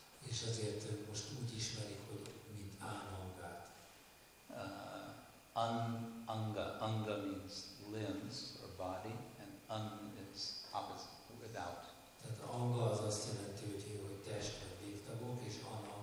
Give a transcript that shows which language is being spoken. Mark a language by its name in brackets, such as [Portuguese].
[Hungarian] És azért most úgy ismerik, hogy mint Anangát. [Sanskrit] Ananga. [English] Anga means limbs or body, and an is opposite, without. [Hungarian] Tehát Anga az azt jelenti, hogy testben végtagok, és an